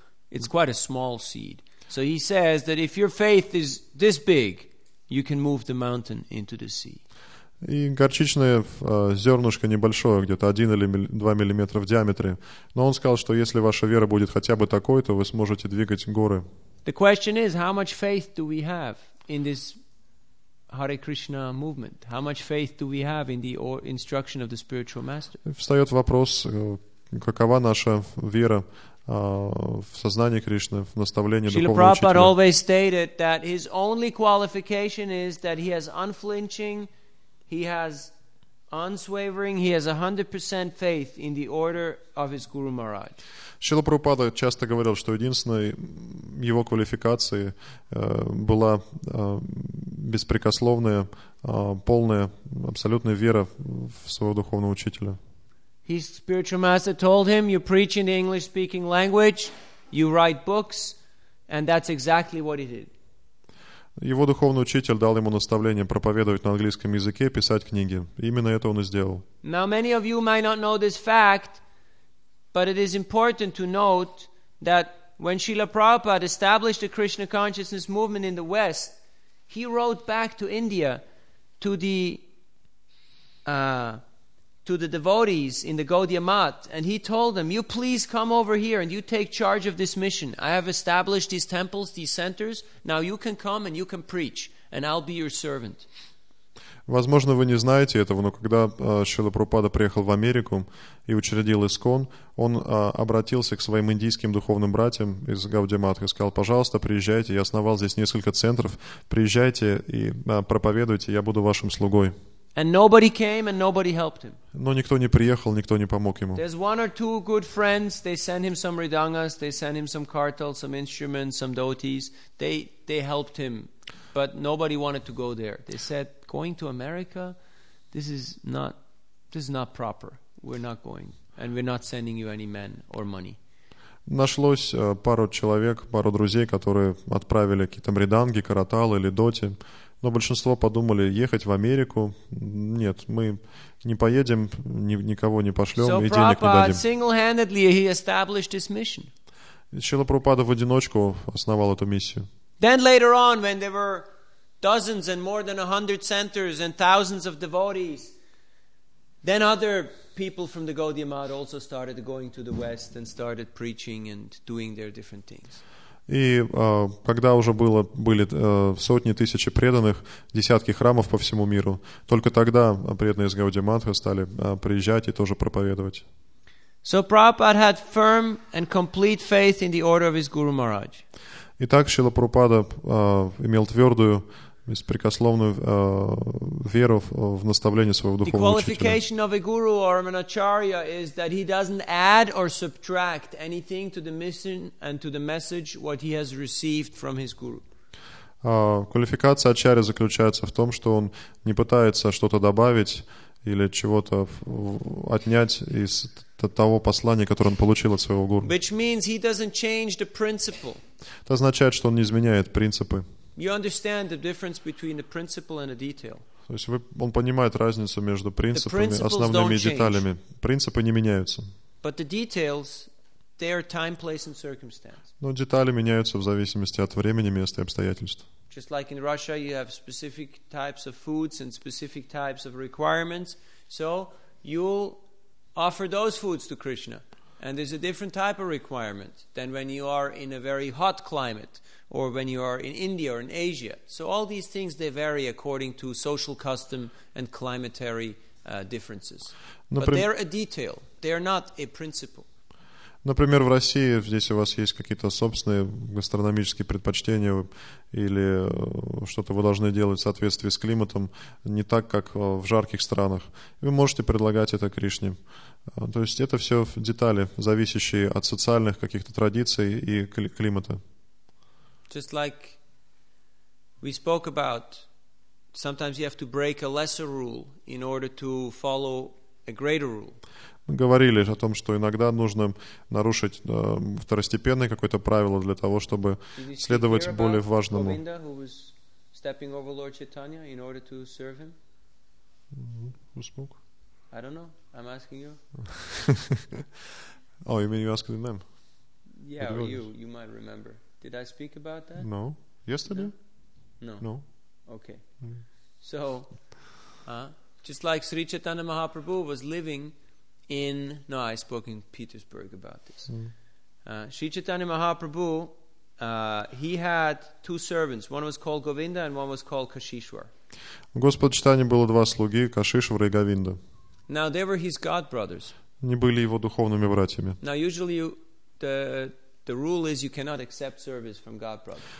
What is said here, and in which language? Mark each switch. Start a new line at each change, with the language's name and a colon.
English: It's quite a small seed. So he says that if your faith is this big, you can move the mountain into the sea.
Russian: И горчичное зернышко небольшое, где-то 1 или 2 миллиметра в диаметре. Но он сказал, что если ваша вера будет хотя бы такой, то вы сможете двигать горы.
English: The question is, how much faith do we have in this Hare Krishna movement? How much faith do we have in the instruction of the spiritual master?
Russian: Встает вопрос, какова наша вера в сознание Кришны, в наставление духовного учителя.
English: Srila Prabhupada always stated that his only qualification is that he has unflinching, he has Unswavering, he has 100% faith in the order of his Guru Maharaj.
Russian: Шрила Прабхупада часто говорил, что единственной его квалификацией была беспрекословная, полная, абсолютная вера в своего духовного учителя.
English: His spiritual master told him, "You preach in the English-speaking language, you write books, and that's exactly what he did."
Russian: Его духовный учитель дал ему наставление проповедовать на английском языке, писать книги. И именно это он и сделал.
English: Now many of you might not know this fact, but it is important to note that when Srila Prabhupada established the Krishna consciousness movement in the West, he wrote back to India to the devotees in the Gaudiya Math, and he told them, "You please come over here and you take charge of this mission. I have established these temples, these centers. Now you can come and you can preach, and I'll be your servant."
Russian: Возможно, вы не знаете этого, но когда Шрила Прабхупада приехал в Америку и учредил ИСКОН, он обратился к своим индийским духовным братьям из Гаудия Матха и сказал: «Пожалуйста, приезжайте, я основал здесь несколько центров, приезжайте и проповедуйте, я буду вашим слугой».
English: And nobody came and nobody helped him.
Russian: Но никто не приехал, никто не помог ему.
English: There's one or two good friends, they send him some ridangas, they send him some kartal, some instruments, some dhotis. They helped him, but nobody wanted to go there. They said, "Going to America, this is not proper. We're not going, and we're not sending you any men or money."
Russian: Нашлось пару человек, пару друзей, которые отправили какие-то риданги, каратал или доти. Но большинство подумали, ехать в Америку, нет, мы не поедем, никого не пошлем,
English: so
Russian: и денег
English: Prabhupada
Russian: не дадим.
English: Single-handedly he established this mission.
Russian: Шрила Прабхупада в одиночку основал эту миссию.
English: Then later on, when there were dozens and more than 100 centers and thousands of devotees, then other people from the Gaudiya Math also started going to the West and started preaching and doing their different things.
Russian: И когда уже были сотни тысяч преданных, десятки храмов по всему миру, только тогда преданные из Гауди Матха стали приезжать и тоже проповедовать.
English: So Prabhupada had firm and complete faith in the order of his Guru Maharaj.
Russian: Итак, Шрила Прабхупада имел твердую, беспрекословную веру в наставление своего духовного учителя.
English: The qualification of a guru or an acharya is that he doesn't add or subtract anything to the mission and to the message what he has received from his guru.
Russian: Квалификация ачарьи заключается в том, что он не пытается что-то добавить или чего-то отнять из того послания, которое он получил от своего гуру.
English: Which means he doesn't change the principle.
Russian: Это означает, что он не изменяет принципы.
English: You understand the difference between the principle and the detail.
Russian: То есть он понимает разницу между принципами, основными деталями. Принципы не меняются.
English: But the details, they are time, place, and circumstance.
Russian: Но детали меняются в зависимости от времени, места и обстоятельств.
English: Just like in Russia, you have specific types of foods and specific types of requirements. So you'll offer those foods to Krishna. And there's a different type of requirement than when you are in a very hot climate or when you are in India or in Asia. So all these things, they vary according to social custom and climatary differences. But they're a detail. They're not a principle.
Russian: Например, в России здесь у вас есть какие-то собственные гастрономические предпочтения или что-то вы должны делать в соответствии с климатом, не так, как в жарких странах. Вы можете предлагать это Кришне. То есть это все детали, зависящие от социальных каких-то традиций и климата.
English: Just like we spoke about, sometimes you have to break a lesser rule in order to follow a greater rule.
Russian: Мы говорили о том, что иногда нужно нарушить второстепенное какое-то правило для того, чтобы следовать более важному.
English: Govinda, who was stepping over Lord Chaitanya in order to serve him? Who spoke? I don't know. I'm asking you. Oh, you mean you're asking them? Yeah, or you. You might remember. Did I speak about that? No. Yesterday? No. No. Okay. So, just like Sri Chaitanya Mahaprabhu was living I spoke in Petersburg about this. Sri Chaitanya Mahaprabhu, he had two servants. One was called Govinda and one was called Kashishwar.
Russian: Господ Читания было два слуги, Кашишвара и Говинда.
English: Now they were his god brothers.
Russian: Они были его духовными братьями.
English: Now usually the The rule is you cannot accept service from God, brother.